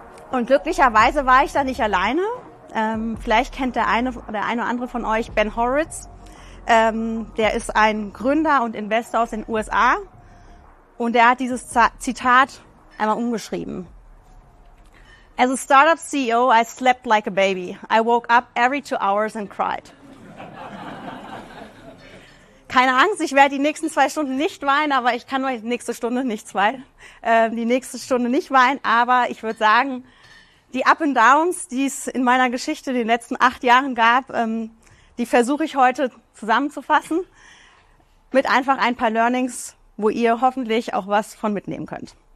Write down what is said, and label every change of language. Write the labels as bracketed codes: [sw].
[de] Und glücklicherweise war ich da nicht alleine. Vielleicht kennt der eine oder andere von euch Ben Horowitz. Der ist ein Gründer und Investor aus den USA. Und er hat dieses Zitat einmal umgeschrieben. [en] As a startup CEO, I slept like a baby. I woke up every 2 hours and cried. [de] Keine Angst, ich werde die nächsten 2 Stunden nicht weinen, aber ich kann nur die nächste Stunde nicht weinen. Aber ich würde sagen, die Up and Downs, die es in meiner Geschichte in den letzten 8 Jahren gab, die versuche ich heute zusammenzufassen mit einfach ein paar Learnings, wo ihr hoffentlich auch was von mitnehmen könnt.